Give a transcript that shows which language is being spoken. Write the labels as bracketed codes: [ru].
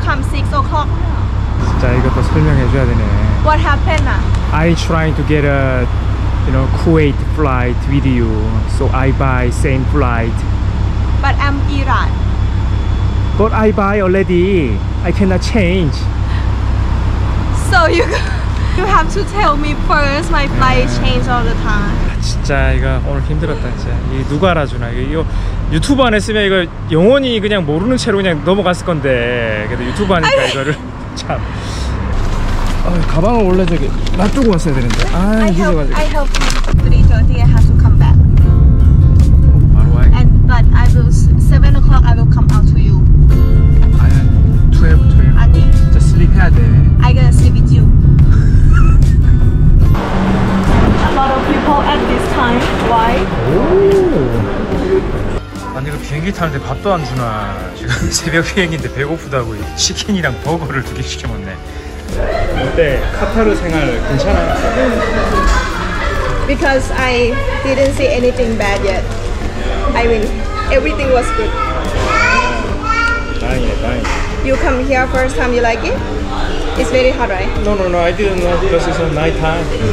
[ko] 진짜 이것도 설명해 줘야 되네. [en] What happened? I trying to get a you know Kuwait flight with you. So I buy same flight. But I'm Iran. But I buy already. I cannot change. So you have to tell me first my flight change all the time. [ko] 진짜 이거 오늘 힘들었다 진짜. 이게 누가 알아주나. 이거 유튜브 안 했으면 이거 영원히 그냥 모르는 채로 그냥 넘어갔을 건데. 그래도 유튜브 하니까 이거를 참. 아, 가방을 원래 저기 놔두고 왔어야 되는데. 아, 늦어 가지고. [en] I help you. 3:30 I have to come back. [ko] 바로 와야. [en] And but I will 7 o'clock I will come out to you. [ko] 아니, 12, 12. 아니, 진짜 sleep 해야 돼. [en] I gonna sleep with you. A lot of people at this time. Why? [ko] 아니 그 비행기 타는데 밥도 안 주나. 지금 새벽 비행인데 배고프다고 치킨이랑 버거를 두 개 시켜 먹네. 어때? 카타르 생활 괜찮아? [en] Because I didn't see anything bad yet. I mean, everything was good. [ko] 다행이네, 다행이네. [en] You come here first time, you like it? It's very hot, right? No, I didn't know because it's night time.